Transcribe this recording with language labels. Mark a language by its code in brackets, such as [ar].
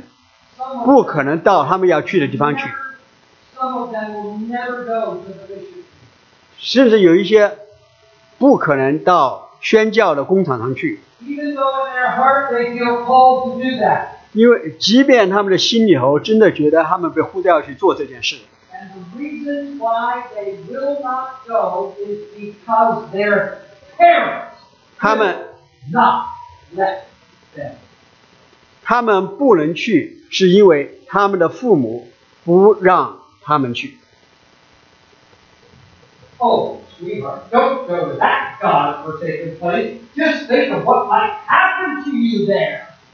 [zh] 因为我知道，他们中间有些人不可能到他们要去的地方去。 [en] Some of them will never go to the mission. [zh] 甚至有一些不可能到宣教的工厂上去。 [en] Even though in their heart they feel called to do that. [zh] 因为即便他们的心里头真的觉得他们被呼召去做这件事。 [en] And the reason why they will not go is because their parents will not let them. [zh] 他们不能去，是因为他们的父母不让他们去。 [en] Oh, sweetheart, don't go to that God-forsaken place. Just think of what might happen to you there.